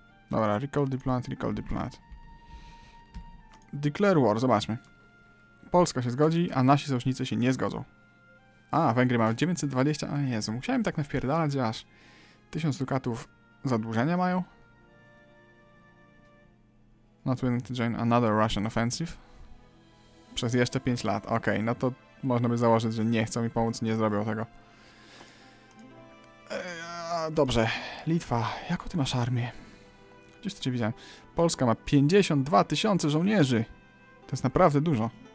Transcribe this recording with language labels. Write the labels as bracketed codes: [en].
[pl] Dobra, [en] recall diplomat. Declare war, [pl] zobaczmy. Polska się zgodzi, a nasi sojusznicy się nie zgodzą. A, Węgry mają 920, o Jezu, musiałem tak nawpierdalać, że aż 1000 dukatów zadłużenia mają. [en] Not willing to join another Russian offensive. [pl] Przez jeszcze 5 lat, okej, okay, no to można by założyć, że nie chcą mi pomóc, nie zrobią tego. Dobrze, Litwa, jaką ty masz armię? Gdzieś to cię widziałem. Polska ma 52 tysiące żołnierzy. To jest naprawdę dużo.